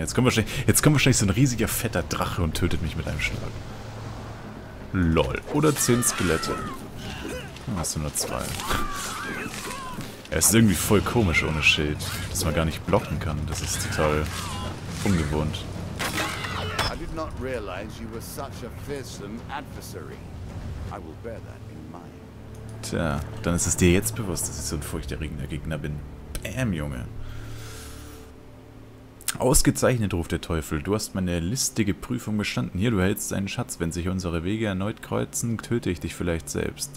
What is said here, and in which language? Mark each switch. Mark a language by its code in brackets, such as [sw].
[de] Jetzt kommt wahrscheinlich so ein riesiger, fetter Drache und tötet mich mit einem Schlag. LOL. Oder 10 Skelette. Dann hast du nur 2. Er ist irgendwie voll komisch ohne Schild, dass man gar nicht blocken kann. Das ist total ungewohnt. [en] I did not realize you were such a fearsome adversary. I will bear that in mind. [de] Tja, dann ist es dir jetzt bewusst, dass ich so ein furchterregender Gegner bin. Bäm, Junge. Ausgezeichnet, ruft der Teufel. Du hast meine listige Prüfung bestanden. Hier, du hältst deinen Schatz. Wenn sich unsere Wege erneut kreuzen, töte ich dich vielleicht selbst.